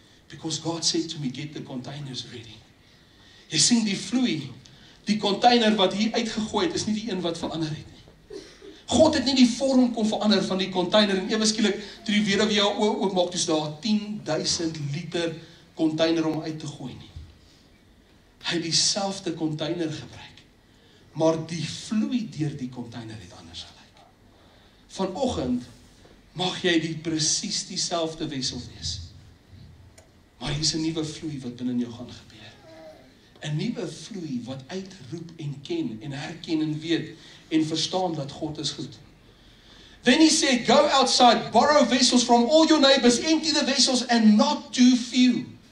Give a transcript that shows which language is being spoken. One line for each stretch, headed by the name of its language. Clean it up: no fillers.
English: Because God said to me, get the containers ready.
Afrikaans: Jy sien die vloei, die container wat hier uitgegooi het, is nie die een wat verander het nie. God het nie die vorm kon verander van die container, en ewe skielik, toe die weduwee haar oë oopmaak, toe is daar 10,000 liter container om uit te gooi nie. Hy het dieselfde container gebruik, maar die vloei deur die container het anders gelyk. Vanoggend mag jy die presies dieselfde wessel wees. Maar hier is 'n nuwe vloei wat binne jou gaan gebeur. 'N nuwe vloei wat uitroep en ken en herken en weet en verstaan dat God is goed.
English: Then he said, go outside, borrow vessels from all your neighbors, empty the vessels and not too few.